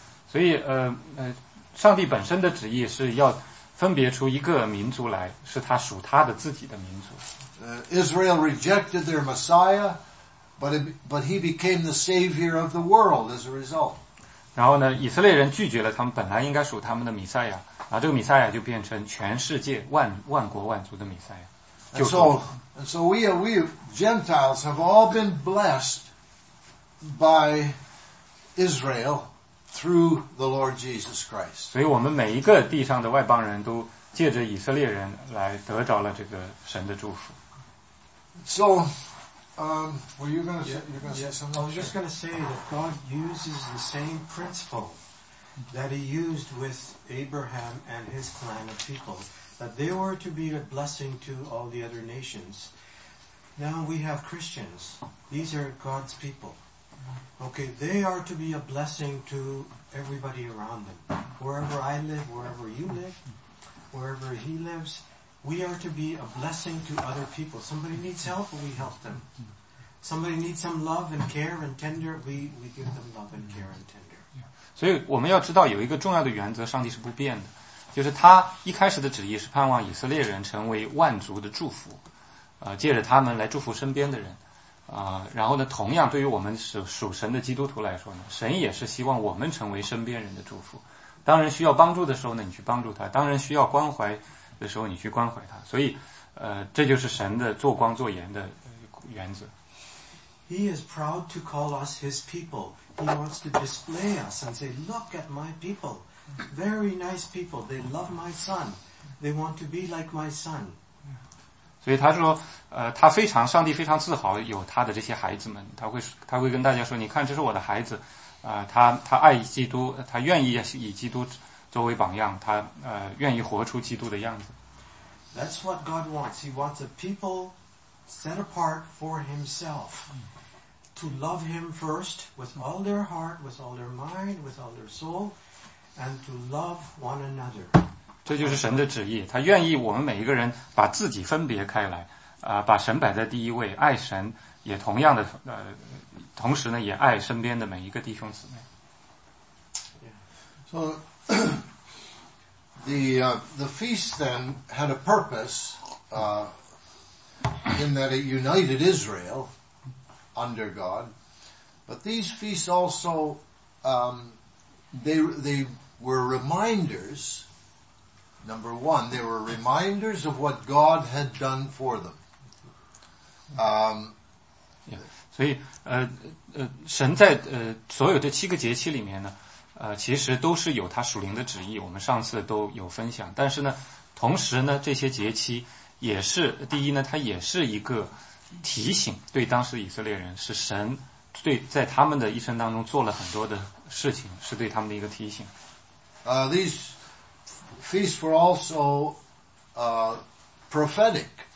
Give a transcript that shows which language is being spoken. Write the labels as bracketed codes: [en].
[zh] 所以上帝本身的旨意是要分别出一个民族来，是他属他的自己的民族。 [en] Israel rejected their Messiah, but he became the savior of the world as a result. [zh] 然后呢，以色列人拒绝了他们本来应该属他们的弥赛亚，然后这个弥赛亚就变成全世界万国万族的弥赛亚。 [en] And so we Gentiles have all been blessed by Israel through the Lord Jesus Christ. [zh] 所以我们每一个地上的外邦人都借着以色列人来得着了这个神的祝福。 [en] So, were you going to say, something? I was just going to say that God uses the same principle that he used with Abraham and his clan of people. That they were to be a blessing to all the other nations. Now we have Christians. These are God's people. Okay, they are to be a blessing to everybody around them. Wherever I live, wherever you live, wherever he lives, we are to be a blessing to other people. Somebody needs help, we help them. Somebody needs some love and care and tender, we give them love and care and tender. [zh] 所以我们要知道有一个重要的原则，上帝是不变的，就是他一开始的旨意是盼望以色列人成为万族的祝福，借着他们来祝福身边的人，然后呢，同样对于我们属神的基督徒来说呢，神也是希望我们成为身边人的祝福。当人需要帮助的时候呢，你去帮助他；当人需要关怀的时候，你去关怀他。所以，这就是神的做光做盐的原则。 [en] He is proud to call us His people. He wants to display us and say, "Look at my people, very nice people. They love my son. They want to be like my son." [zh] 所以他说，他非常，上帝非常自豪有他的这些孩子们。他会跟大家说，你看，这是我的孩子。他爱基督，他愿意以基督作为榜样，他愿意活出基督的样子。 [en] That's what God wants. He wants a people set apart for Himself to love Him first with all their heart, with all their mind, with all their soul, and to love one another. [zh] 这就是神的旨意，他愿意我们每一个人把自己分别开来，把神摆在第一位，爱神，也同样的同时呢，也爱身边的每一个弟兄姊妹。 [en] So the feast then had a purpose, in that it united Israel under God. But these feasts also, they were reminders. Number one, they were reminders of what God had done for them. [zh] 所以神在所有的七个节期里面呢，其实都是有他属灵的旨意，我们上次都有分享。但是呢，同时呢，这些节期也是，第一呢，它也是一个提醒，对当时以色列人，是神对在他们的一生当中做了很多的事情，是对他们的一个提醒。 [en] These feasts were also prophetic.